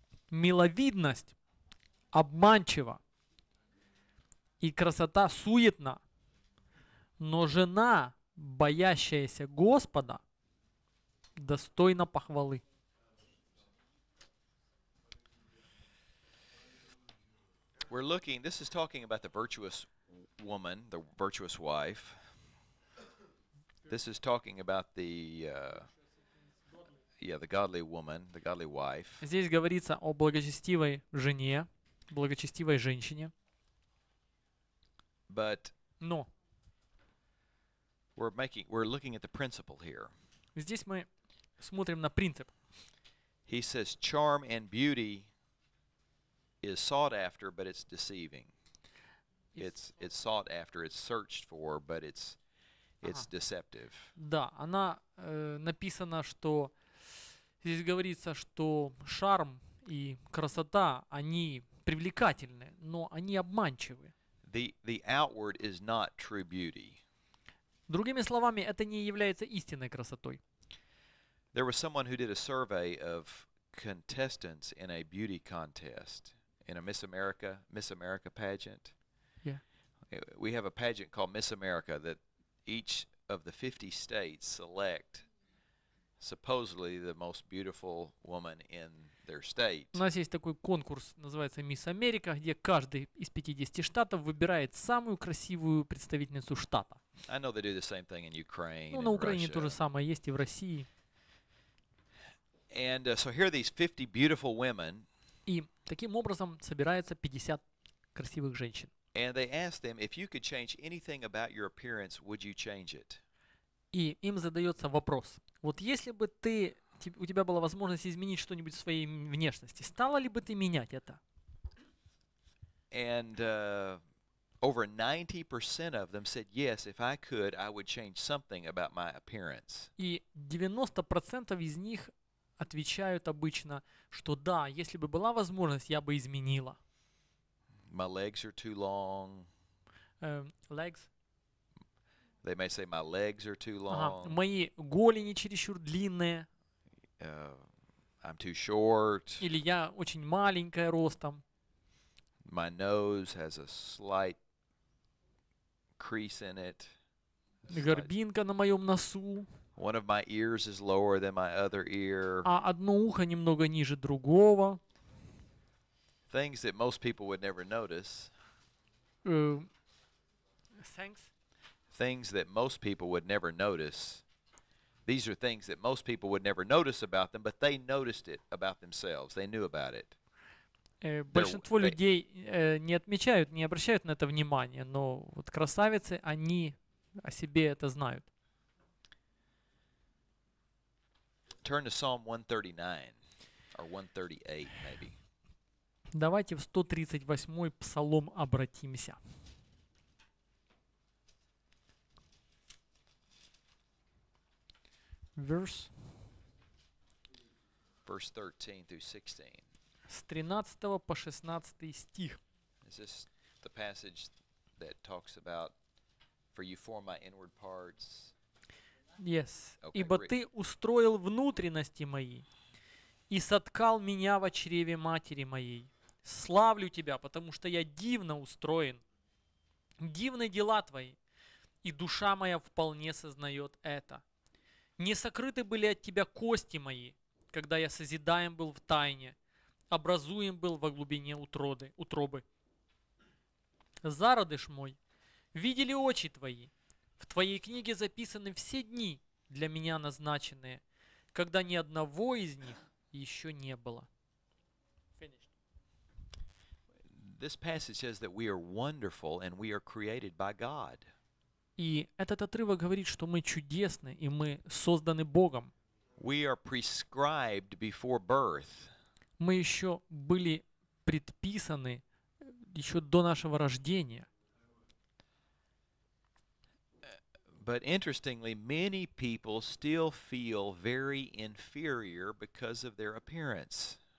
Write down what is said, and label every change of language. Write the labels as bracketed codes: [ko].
[ru] Миловидность обманчива и красота суетна, но жена, боящаяся Господа, достойна похвалы. [en] We're looking, this is talking about the virtuous woman, the virtuous wife. This is talking about the the godly woman, the godly wife. [ru] Здесь говорится о благочестивой жене, благочестивой женщине. [en] But no. We're looking at the principle here. [ru] Здесь мы смотрим на принцип. [en] He says charm and beauty is sought after, but it's deceiving. It's sought after, it's searched for, but it's deceptive. [ru] Да, она написана, что здесь говорится, что шарм и красота, они привлекательны, но они обманчивы. [en] The outward is not true beauty. [ru] Другими словами, это не является истинной красотой. [en] There was someone who did a survey of contestants in a beauty contest in a Miss America pageant. Yeah. We have a pageant called Miss America that each of the 50 states select supposedly the most beautiful woman in their state. [ru] У нас есть такой конкурс, называется Miss America, где каждый из 50 штатов выбирает самую красивую представительницу штата. [en] I know they do the same thing in Ukraine. [ru] Ну, на Украине то же самое есть и в России. [en] And so here are these 50 beautiful women. [ru] И таким образом собирается 50 красивых женщин. [en] And they ask them, if you could change anything about your appearance, would you change it? [ru] И им задается вопрос. Вот если бы ты, у тебя была возможность изменить что-нибудь в своей внешности, стала ли бы ты менять это? [en] And over 90% of them said, yes, if I could, I would change something about my appearance. [ru] И 90% из них отвечают обычно, что да, если бы была возможность, я бы изменила. [en] My legs are too long. Legs. They may say my legs are too long. [ru] Мои голени чересчур длинные. [en] I'm too short. [ru] Или я очень маленькая ростом. [en] My nose has a slight crease in it. [ru] Горбинка на моем носу. [en] One of my ears is lower than my other ear. [ru] А одно ухо немного ниже другого. [en] Things that most people would never notice. Thanks. Things that most people would never notice. These are things that most people would never notice about them, but they noticed it about themselves. They knew about it. [ru] Большинство людей не отмечают, не обращают на это внимания, но вот красавицы, они о себе это знают. [en] Turn to Psalm 139, or 138, maybe. [ru] Давайте в 138-й псалом обратимся. [en] Verse 13 through 16. [ru] С 13 по 16 стих. [en] Is this the passage that talks about, for you form my inward parts? Yes. Okay, [ru] ибо [en] great. [ru] Ты устроил внутренности мои и соткал меня в чреве матери моей. Славлю тебя, потому что я дивно устроен. Дивны дела твои, и душа моя вполне сознает это. Не сокрыты были от тебя кости мои, когда я созидаем был в тайне, образуем был во глубине утробы. Зародыш мой, видели очи твои, в твоей книге записаны все дни для меня назначенные, когда ни одного из них еще не было. [en] This passage says that we are wonderful and we are created by God. [ru] И этот отрывок говорит, что мы чудесны и мы созданы Богом. [en] We are prescribed before birth. [ru] Мы еще были предписаны еще до нашего рождения. [en] But interestingly, many people still feel very inferior because of their appearance.